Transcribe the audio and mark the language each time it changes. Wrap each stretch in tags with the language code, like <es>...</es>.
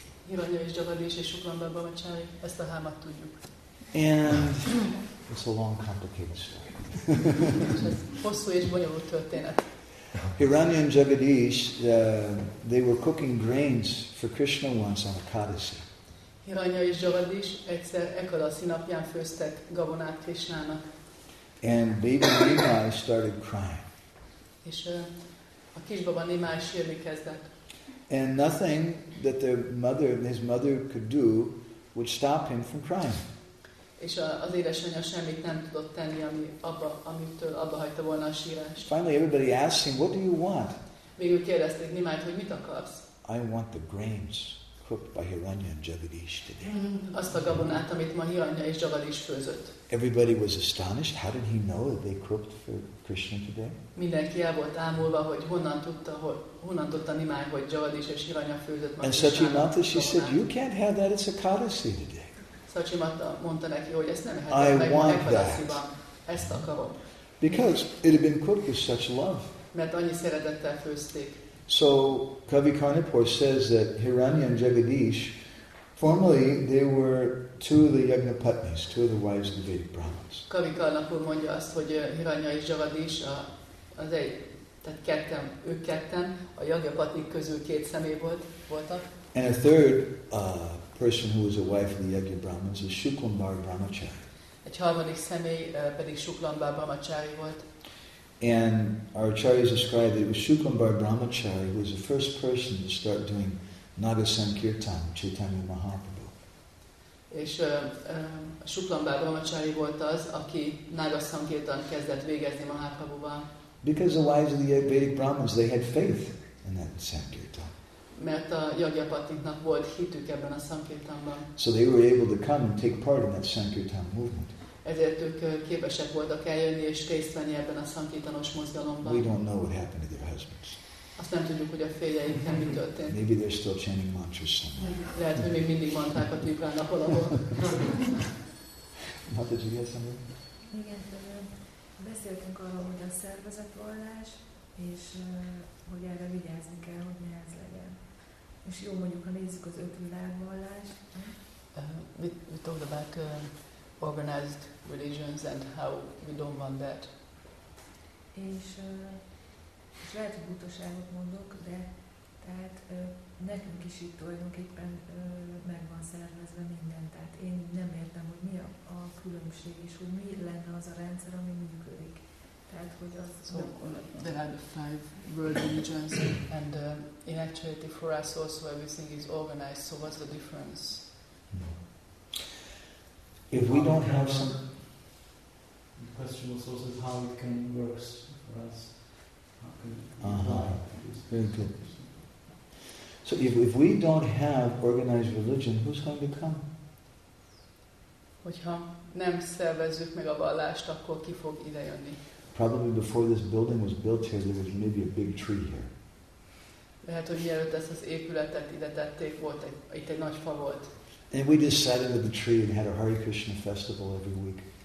<hu>Hiranya és Jagadish és Shuklambara Brahmachari, ezt a hármat tudjuk.</hu> <en>And it's a long, complicated story.</en> <hu>Hosszú és bonyolult történet.</hu> <en>Hiranya and Jagadish, they were cooking grains for Krishna once on Ekadasi.</en> <hu>Hiranya és Jagadish egyszer Ekadasi napján főztek gabonát Krishnának.</hu> <en>And baby Nimai started crying.</en> <hu>És a kisbaba Nimai sírni kezdett.</hu> <en>And nothing that his mother could do would stop him from crying.</en> <hu>És az édesanyja semmit nem tudott tenni, ami abba, amitől abba hagyta volna a sírást.</hu> <en>Finally everybody asked him, what do you want?</en> <hu>Végül kérdezték Nimájt, hogy mit akarsz?</hu> <en>I want the grains cooked by Hiranya and Jagadish today.</en> <hu>Azt a gabonát, amit ma Hiranya és Jagadish főzött.</hu> <en>Everybody was astonished. How did he know that they cooked for Krishna today?</en> <hu>Mindenki el volt ámulva, hogy honnan tudta Nimáj, hogy Jagadish és Hiranya főzött ma.</hu> <en>And Sachimata, she said, you can't have that. It's a Kadasi today.</en> <hu>Sachimata mondta neki, hogy ezt nem lehet meg Kadasiban. Ezt akarom.</hu> <en>Because it had been cooked with such love.</en> <hu>Mert annyi szeretettel főzték.</hu> <en>So Kavi Karnapur says that Hiranya and Jagadish, formerly they were two of the Yajnapatnis, two of the wives of the Vedic Brahmins.</en> <hu>Kavi Karnapur mondja azt, hogy Hiranya és Jagadish az egy, tehát ketten, ők ketten a Yajnapatnik közül két személy voltak.</hu> <en>And a third person who was a wife of the Yajna Brahmins is Shuklambar Brahmachari.</en> <hu>Egy harmadik személy pedig Shuklambar Brahmachari volt.</hu> <en>And our acharyas described that it was Shukambar Brahmachari who was the first person to start doing Naga Sankirtan, Chaitanya Mahaprabhu.</en> <hu>És Shuklambar Brahmachari volt az, aki Naga Sankirtan kezdett végezni Mahaprabhuban.</hu> <en>Because the wives of the Vedic Brahmins, they had faith in that Sankirtan.</en> <hu>Mert a Yajnapatniknak volt hitük ebben a Sankirtanban.</hu> <en>So they were able to come and take part in that Sankirtan movement.</en> <hu>Ezért ők képesek voltak eljönni és részt venni ebben a szankítanos mozgalomban.</hu> <en>We don't know what happened to their husbands.</en> <hu>Azt nem tudjuk, hogy a férjeiknek mi történt.</hu> <en>Maybe they're still chanting mantras somewhere.</en> <hu>Lehet, hogy még mindig mantrák a tükrán, ahol.</hu> <en>What did you guess, Amir?</en> <hu>Igen, beszéltünk arról, hogy a szervezet oldás, és hogy erre vigyázni kell, hogy nehez legyen. És jó, mondjuk, ha nézzük az öt világvallást.</hu> <en>We talked about organized religions and how we don't want that.</en> <hu>És lehet, hogy butaságot mondok, de tehát nekünk is itt tulajdonképpen meg van szervezve minden. Tehát én nem értem, hogy mi a különbség, és hogy mi lenne az a rendszer, ami működik. Tehát, hogy az...</hu> <en>So, there are the five world religions, and in actuality for us also everything is organized, so what's the difference? If we don't have some... The question was also how it can work for us. How can we apply? Very good. So if we don't have organized religion, who's going to come?</en> <hu>Hogyha nem szervezzük meg a vallást, akkor ki fog idejönni?</hu> <en>Probably before this building was built here, there was maybe a big tree here.</en> <hu>Lehet, hogy mielőtt ezt az épületet ide tették, volt egy, itt egy nagy fa volt.</hu> <en>And we just sat under the tree and had a Hare Krishna festival every week.</en>